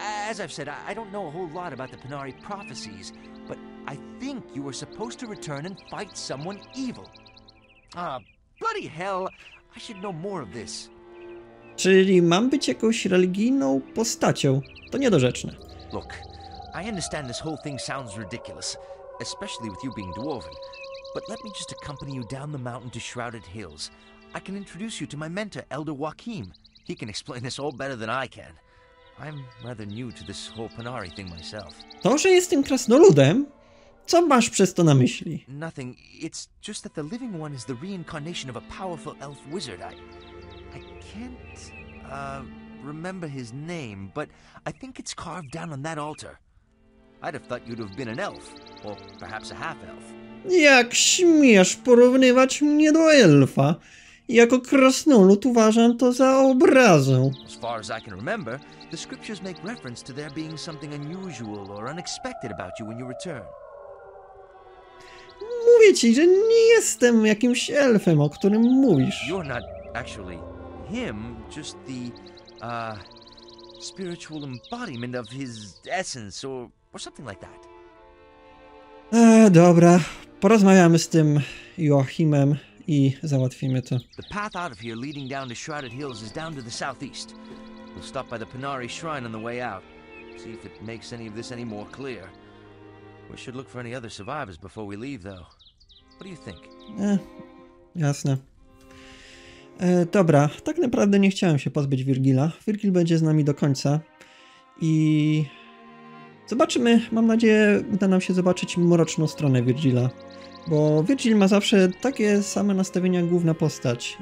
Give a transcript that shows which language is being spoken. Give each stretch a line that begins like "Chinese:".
English: As I've said, I don't know a whole lot about the Pinari prophecies, but I think you were supposed to return and fight someone evil. Bloody hell, I should know more of this.
Polish: Czyli mam być jakąś religijną postacią? To niedorzeczne.
English: Look, I understand this whole thing sounds ridiculous, especially with you being dwarven, but let me just accompany you down the mountain to Shrouded Hills. I can introduce you to my mentor, Elder Joachim. He can explain this all better than I can. I'm rather new to this whole Pinari thing myself.
Polish: To, że jestem krasnoludem? Co masz przez to na myśli?
English: Nothing. It's just that the living one is the reincarnation of a powerful elf wizard. I can't remember his name, but I think it's carved down on that altar. I'd have thought you'd have been an elf, or perhaps a half-elf.
Polish: Jak śmiesz porównywać mnie do elfa? Jako krasnolud uważam to za obrazę.
English: As far as I can remember, the scriptures make reference to there being something unusual or unexpected about you when you return.
Polish: Mówię ci, że nie jestem jakimś elfem, o którym mówisz.
English: You're not actually him, just the spiritual embodiment of his essence or something like that.
Polish: Dobra, porozmawiamy z tym Joachimem i załatwimy to.
English: The path out of here leading down to Shrouded Hills is down to the southeast. We'll stop by the Pinari shrine on the way out. See if it makes any of this any more clear. We should look for any other survivors before we leave, though. What do you think?
Polish: Jasne. Dobra, tak naprawdę nie chciałem się pozbyć Virgila. Virgil będzie z nami do końca. I zobaczymy, mam nadzieję, uda nam się zobaczyć mroczną stronę Virgila. Bo Virgil ma zawsze takie same nastawienia główna postać.